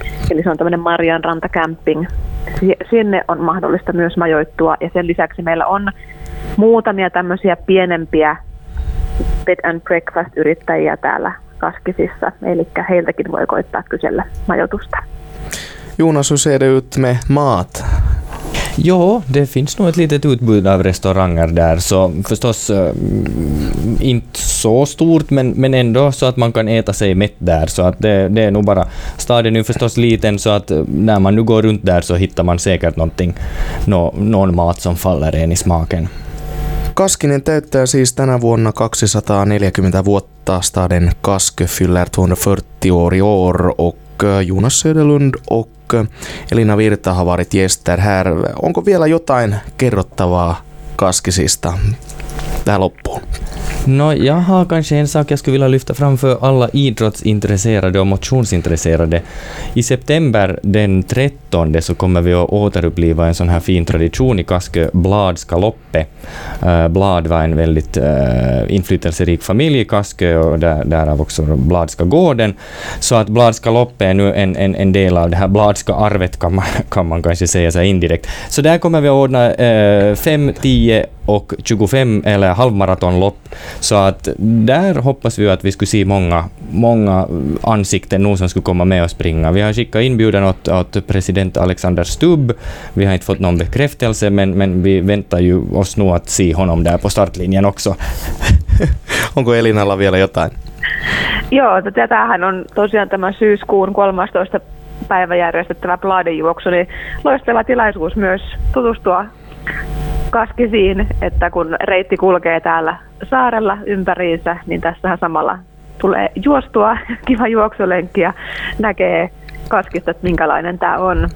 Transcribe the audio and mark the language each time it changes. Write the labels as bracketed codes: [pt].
[fi] Eli se on tämmöinen Marianranta camping. Sinne on mahdollista myös majoittua ja sen lisäksi meillä on muutamia tämmöisiä pienempiä bed and breakfast -yrittäjiä täällä Kaskisissa. Eli heiltäkin voi koittaa kysellä majoitusta. [sv] Jonas, hur ser det ut med mat? Ja, det finns nog ett litet utbud av restauranger där, så förstås inte så stort, men ändå så att man kan äta sig mätt där, så att det är nog bara, staden är ju förstås liten, så att när man nu går runt där så hittar man säkert någon mat som faller en i smaken. [fi] Kaskinen täyttää siis tänä vuonna 240 vuotta, [sv] staden Kaskö fyller 240 år i år, och Jonas Söderlund och Elina Virta, havarit Jester här. [fi] Onko vielä jotain kerrottavaa Kaskisista tähän loppuun? [sv] No jaha, kanske en sak jag skulle vilja lyfta fram för alla idrottsintresserade och motionsintresserade. I september den 13 så kommer vi att återuppliva en sån här fin tradition i Kaskö, Bladska loppe. Blad var en väldigt inflytelserik familj i Kaskö och därav också Bladska gården. Så att Bladska loppe är nu en del av det här Bladska arvet, kan man kanske säga så indirekt. Så där kommer vi att ordna 5-10 och 25 eller halvmaratonlopp. Så att där hoppas vi att vi skulle se många, många ansikten nu som skulle komma med och springa. Vi har skickat inbjudan åt president Alexander Stubb. Vi har inte fått någon bekräftelse, men vi väntar ju oss nu att se honom där på startlinjen också. [fi] Onko Elinalla vielä jotain? Joo, tämähän on tosiaan tämä syyskuun 13. päivä järjestettävä Bladenjuoksu, niin loistava tilaisuus myös tutustua Kaskisiin, että kun reitti kulkee täällä saarella ympäriinsä, niin tässähän samalla tulee juostua, kiva juoksulenkki ja näkee Kaskista, että minkälainen tämä on.